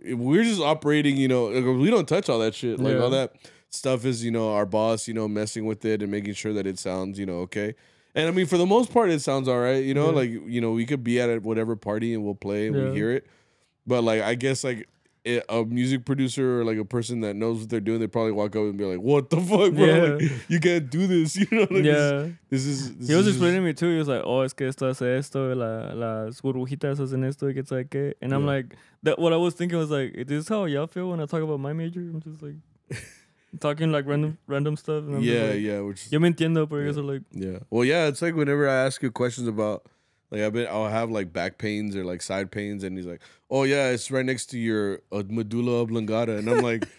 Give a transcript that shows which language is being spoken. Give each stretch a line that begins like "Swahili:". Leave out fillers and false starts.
English: We're just operating, you know, like, we don't touch all that shit. Like, yeah. All that stuff is, you know, our boss, you know, messing with it and making sure that it sounds, you know, okay. And I mean, for the most part, it sounds all right, you know, yeah. Like, you know, we could be at a whatever party and we'll play and yeah. We hear it. But like, I guess like a music producer or like a person that knows what they're doing, they probably walk up and be like, what the fuck, bro? Yeah. Like, you can't do this. You know, like, yeah. He was explaining to me too. He was like,
Spanish: oh, es que esto hace esto, las burbujitas hacen esto, y que sabe qué.
English: And yeah. I'm like, what I was thinking was like, is this how y'all feel when I talk about my major? I'm just like. Talking like random stuff. And I'm yeah, like, yeah. Which,
Spanish: yo me entiendo, pero
English: yeah, you're like. Yeah. Well, yeah. It's like whenever I ask you questions about, like, I'll have like back pains or like side pains, and he's like, "Oh yeah, it's right next to your medulla oblongata," and I'm like,